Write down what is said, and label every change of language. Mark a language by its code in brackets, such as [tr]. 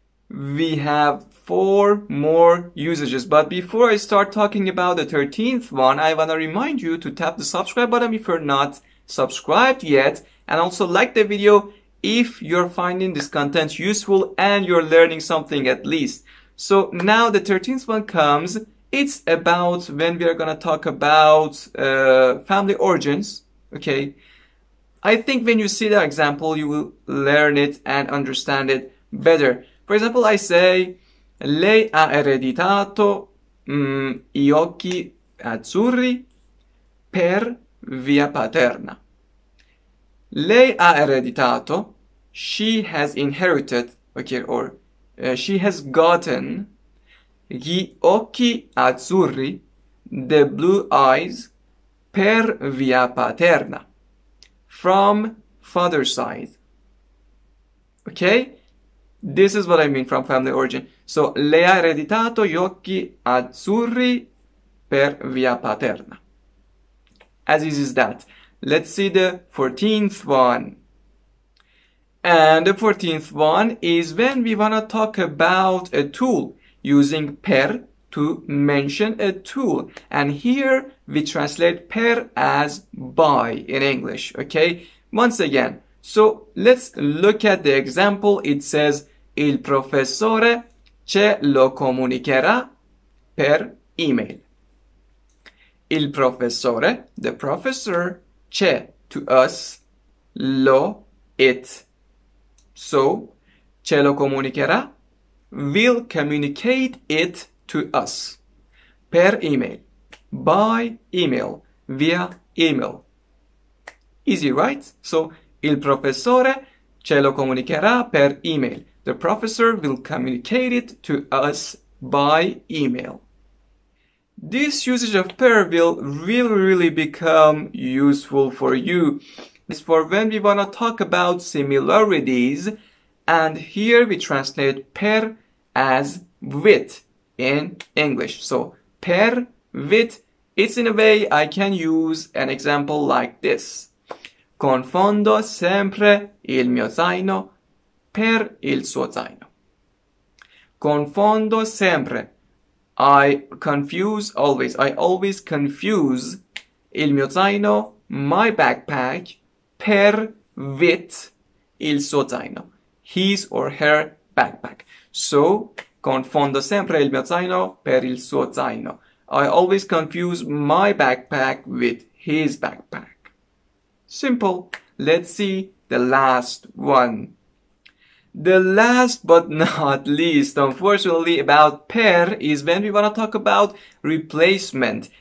[en] We have four more usages, but before I start talking about the 13th one, I want to remind you to tap the subscribe button if you're not subscribed yet, and also like the video if you're finding this content useful and you're learning something at least. So now the 13th one comes. It's about when we are going to talk about family origins, okay? I think when you see that example, you will learn it and understand it better. For example, I say, [it] lei ha ereditato gli occhi azzurri per via paterna. Lei ha ereditato, [en] she has inherited, okay, or she has gotten [it] gli occhi azzurri, [en] the blue eyes, [it] per via paterna, [en] from father's side. Okay? This is what I mean from family origin. [it] So, le ha ereditato gli occhi azzurri per via paterna. [en] As easy as that. Let's see the 14th one. And the 14th one is when we want to talk about a tool, using per to mention a tool. And here we translate per as by in English, okay? Once again, so let's look at the example. It says, [it] il professore ce lo comunicherà per email. Il professore, [en] the professor, [it] ce, [en] to us, [it] lo, [en] it. So, [it] ce lo comunicherà, [en] will communicate it to us, [it] per email, [en] by email, via email. Easy, right? [it] So, il professore ce lo comunicherà per email. [en] The professor will communicate it to us by email. This usage of per will really, really become useful for you. It's for when we want to talk about similarities, and here we translate per as with in English. So, per with, it's in a way I can use an example like this. [it] Confondo sempre il mio zaino per il suo zaino. Confondo sempre. [en] I confuse always. I always confuse [it] il mio zaino, [en] my backpack, [it] per vit il suo zaino, [en] his or her backpack. [it] So, confondo sempre il mio zaino per il suo zaino. [en] I always confuse my backpack with his backpack. Simple. Let's see the last one. The last but not least, unfortunately, about per is when we want to talk about replacement.